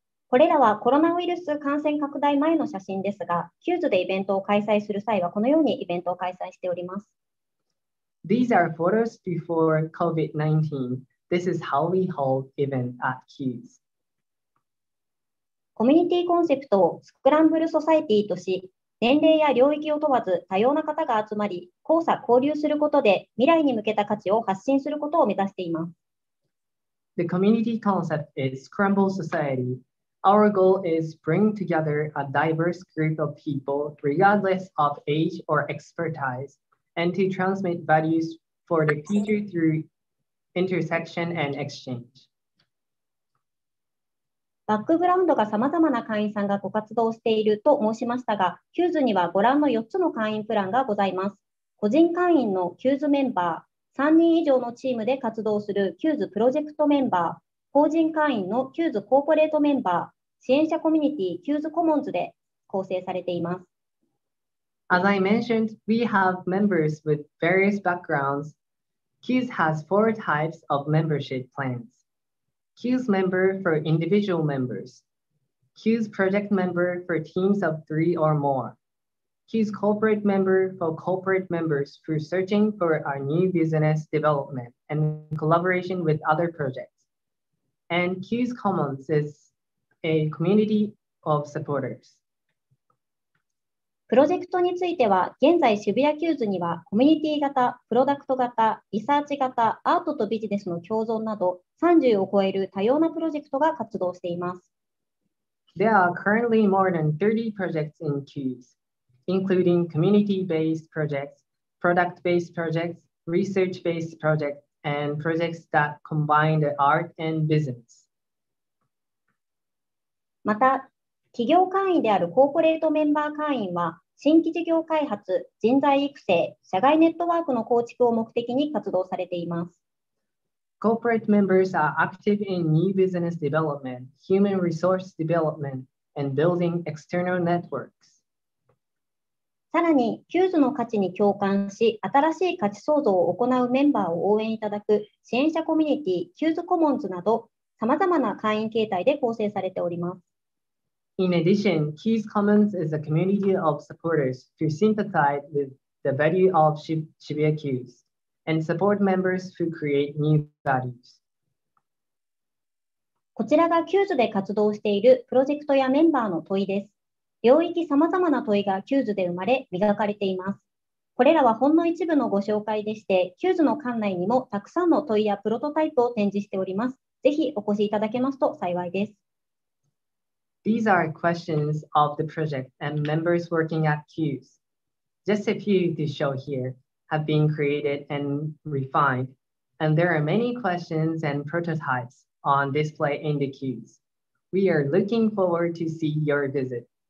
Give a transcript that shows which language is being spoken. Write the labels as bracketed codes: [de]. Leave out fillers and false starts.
[ja] これらはコロナウイルス感染拡大前の写真ですが、Hughesでイベントを開催する際はこのようにイベントを開催しております。 [en] These are photos before COVID-19. This is how we hold event at Hughes. [ja] コミュニティコンセプトをスクランブルソサエティとし、年齢や領域を問わず多様な方が集まり、交差交流することで未来に向けた価値を発信することを目指しています。 [en] The community concept is Scramble Society. Our goal is bring together a diverse group of people, regardless of age or expertise, and to transmit values for the future through intersection and exchange. [ja] バックグラウンドが様々な会員さんがご活動していると申しましたが、Hughesにはご覧の4つの会員プランがございます。個人会員のHughesメンバー、 3人以上のチームで活動する QS プロジェクトメンバー、法人会員の QS コーポレートメンバー、支援者コミュニティ QS コモンズで構成されています。 [en] As I mentioned, we have members with various backgrounds. QS has four types of membership plans. QS member for individual members. QS project member for teams of three or more. QS corporate member for corporate members who are searching for our new business development and collaboration with other projects. And QS Commons is a community of supporters. [ja] プロジェクトについては、現在渋谷 QS にはコミュニティ型、プロダクト型、リサーチ型、アートとビジネスの共存など30を超える多様なプロジェクトが活動しています。 [en] There are currently more than 30 projects in QS. including community-based projects, product-based projects, research-based projects, and projects that combine the art and business. [ja] また、企業会員であるコーポレートメンバー会員は、新規事業開発、人材育成、社外ネットワークの構築を目的に活動されています。 [en] Corporate members are active in new business development, human resource development, and building external networks. [ja] さらに、QS の価値に共感し、新しい価値創造を行うメンバーを応援いただく支援者コミュニティ、QS コモンズなど、さまざまな会員形態で構成されております。 [en] In addition, QS Commons is a community of supporters who sympathize with the value of Shibuya QS and support members who create new values. [ja] こちらが QS で活動しているプロジェクトやメンバーの問いです。領域さまざまな問いが QS で生まれ磨かれています。これらはほんの一部のご紹介でして、QS の館内にもたくさんの問いやプロトタイプを展示しております。ぜひお越しいただけますと幸いです。 [en] These are questions of the project and members working at QS. Just a few to show here have been created and refined, and there are many questions and prototypes on display in the QS. We are looking forward to see your visit.